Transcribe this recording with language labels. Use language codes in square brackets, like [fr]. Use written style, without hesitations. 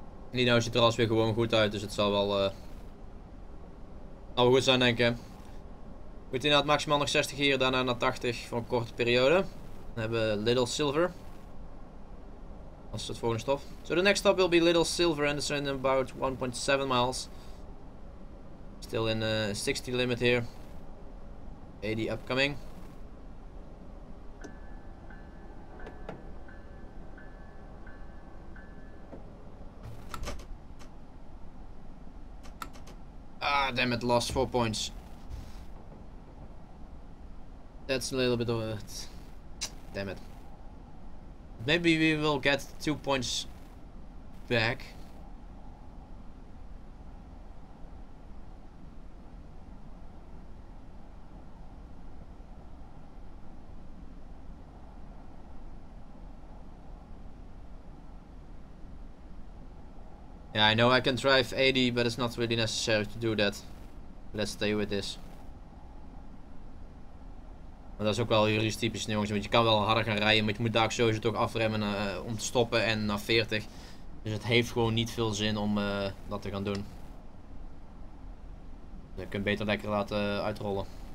[nl] Nino ziet er alles weer gewoon goed uit, dus het zal wel Al goed zijn, denk ik. Moet inderdaad maximaal nog 60 hier, daarna naar 80 voor een korte periode. Dan hebben we Little Silver. Dat is het volgende stop. [en] So the next stop will be Little Silver, and it's in about 1.7 miles. Still in the 60 limit here. 80 upcoming. Ah, damn it, lost 4 points. That's a little bit of a... Damn it. Maybe we will get 2 points back. Yeah, I know I can drive 80, but it's not really necessary to do that. Let's stay with this. [nl] Maar dat is ook wel juridisch typisch, jongens, want je kan wel harder gaan rijden, maar je moet daar sowieso toch afremmen om te stoppen en naar 40. Dus het heeft gewoon niet veel zin om dat te gaan doen. Je kunt beter lekker laten uitrollen.